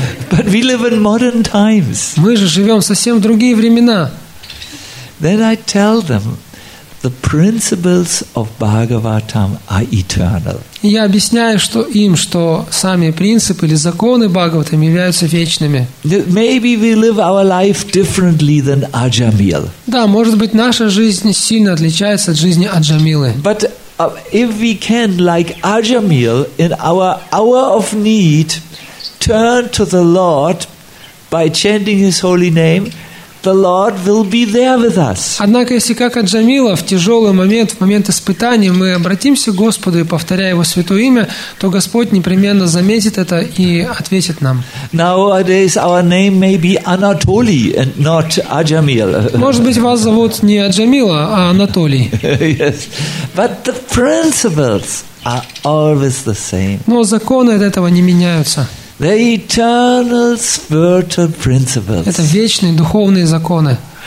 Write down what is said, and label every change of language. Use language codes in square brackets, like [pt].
[en] But we live in modern times. [ru] Мы же живем совсем в другие времена. [en] Then I tell them the principles of Bhagavatam are eternal. [ru] Я объясняю им, что сами принципы или законы Бхагаватам являются вечными. [en] Maybe we live our life differently than Ajamil. [ru] Да, может быть, наша жизнь сильно отличается от жизни Аджамилы. [en] But if we can, like Ajamil, in our hour of need, turn to the Lord by chanting His holy name, the Lord will be there with us. [ru] Однако, если как Аджамила в тяжелый момент, в момент испытания, мы обратимся к Господу и повторяя Его святое имя, то Господь непременно заметит это и ответит нам. [en] Nowadays our name may be Anatoly and not Ajamil. [ru] Может быть, вас зовут не Аджамила, а Анатолий. [en] Yes, but the principles are always the same. [ru] Но законы от этого не меняются. [en] The eternal spiritual principles. [ru] Это вечные духовные законы.